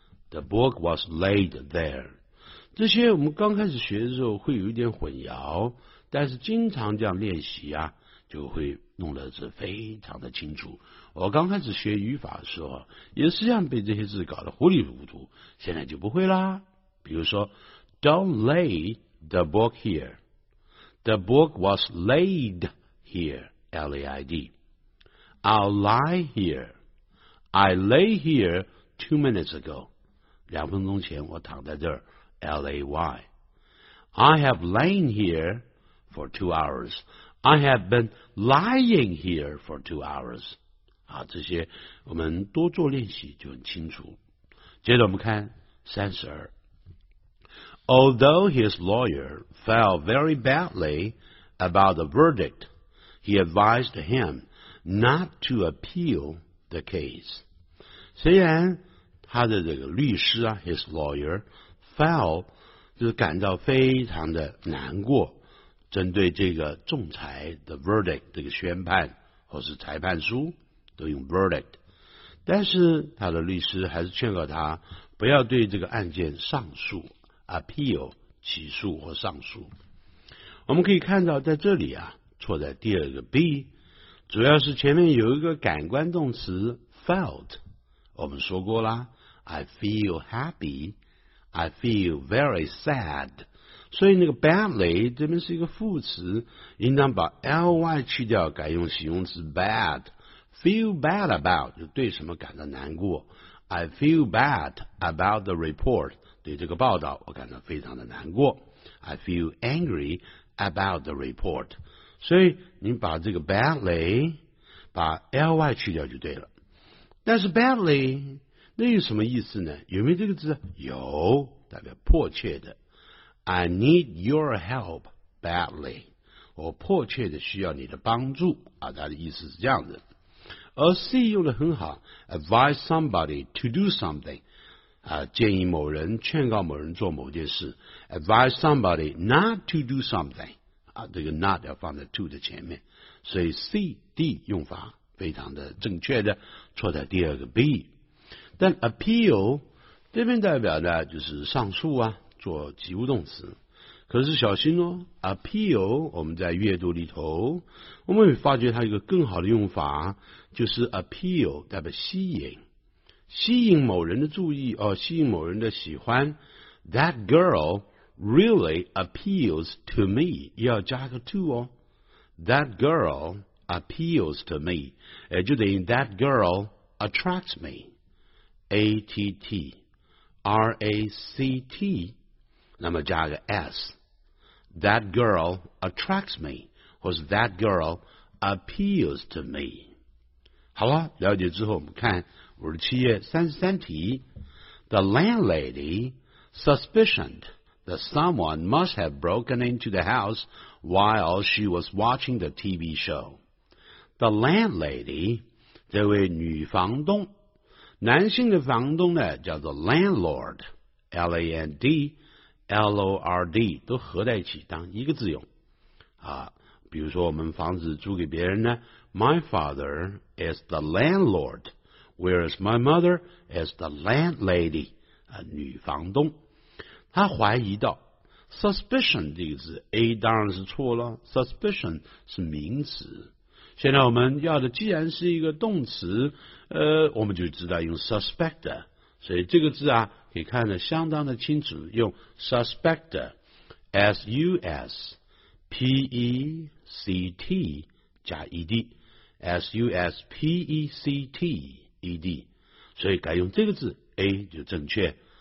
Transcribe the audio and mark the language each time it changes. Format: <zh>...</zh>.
<en>The book was laid there。</en> <zh>这些我们刚开始学的时候会有一点混淆，但是经常这样练习啊，就会弄得是非常的清楚。我刚开始学语法的时候也是这样，被这些字搞得糊里糊涂，现在就不会啦。比如说</zh> <en>Don't lay the book here， The book was laid here， L-A-I-D。 I'll lie here， I lay here 2 minutes ago，</en> <zh>两分钟前我躺在这儿，</zh> <en>L-A-Y。 I have lain here for 2 hours，I have been lying here for 2 hours。</en> <zh>啊，这些我们多做练习就很清楚。接着我们看32。</zh> <en>Although his lawyer felt very badly about the verdict, he advised him not to appeal the case。</en> <zh>虽然他的这个律师啊，</zh> <en>his lawyer felt</en> <zh>就是感到非常的难过，针对这个仲裁的 verdict， 这个宣判或是裁判书都用 verdict， 但是他的律师还是劝告他不要对这个案件上诉 appeal 起诉或上诉。我们可以看到在这里啊，错在第二个 B， 主要是前面有一个感官动词 felt， 我们说过啦，</zh> <en>I feel happy， I feel very sad。</en> <zh>所以那个 badly 这边是一个副词，应当把 ly 去掉，改用形容词 bad。</zh> <en>feel bad about</en> <zh>就对什么感到难过，</zh> <en>I feel bad about the report，</en> <zh>对这个报道我感到非常的难过，</zh> <en>I feel angry about the report。</en> <zh>所以你把这个 badly 把 ly 去掉就对了。但是 badly 那有什么意思呢？有没有这个字？有，代表迫切的。</zh> <en>I need your help badly，</en> <zh>我迫切的需要你的帮助啊，他的意思是这样子。而 C 用的很好，</zh> <en>advise somebody to do something，</en> <zh>啊，建议某人，劝告某人做某件事。</zh> <en>advise somebody not to do something，</en> <zh>啊，这个 not 要放在 to 的前面，所以 C、D 用法非常的正确的，错在第二个 B。但 appeal 这边代表的就是上诉啊，做及物动词。可是小心哦， appeal 我们在阅读里头我们会发觉它一个更好的用法，就是 appeal 代表吸引，吸引某人的注意，吸引某人的喜欢。</zh> <en>That girl really appeals to me，</en> <zh>要加个 to 哦，</zh> <en>That girl appeals to me，</en> <zh>也就等于</zh> <en>That girl attracts me， A-T-T R-A-C-T，</en> <zh>那么加个 S，</zh> <en>That girl attracts me，</en> <zh>或是</zh> <en>That girl appeals to me。</en> <zh>好了，了解之后我们看57页33题。</zh> <en>The landlady suspicioned that someone must have broken into the house while she was watching the TV show。 The landlady，</en> <zh>这位女房东，男性的房东呢叫做 landlord， L-A-N-D L-O-R-D 都合在一起当一个字用啊。比如说我们房子租给别人呢，</zh> <en>My father is the landlord， Whereas my mother is the landlady，</en> <zh>啊，女房东。他怀疑到， Suspicion 这个字 A 当然是错了， Suspicion 是名词。现在我们要的既然是一个动词，我们就知道用 suspect， 所以这个字啊可以看得相当的清楚，用 suspector， S-U-S-P-E-C-T 加 E-D， S-U-S-P-E-C-T-E-D， 所以改用这个字 A 就正确。</zh>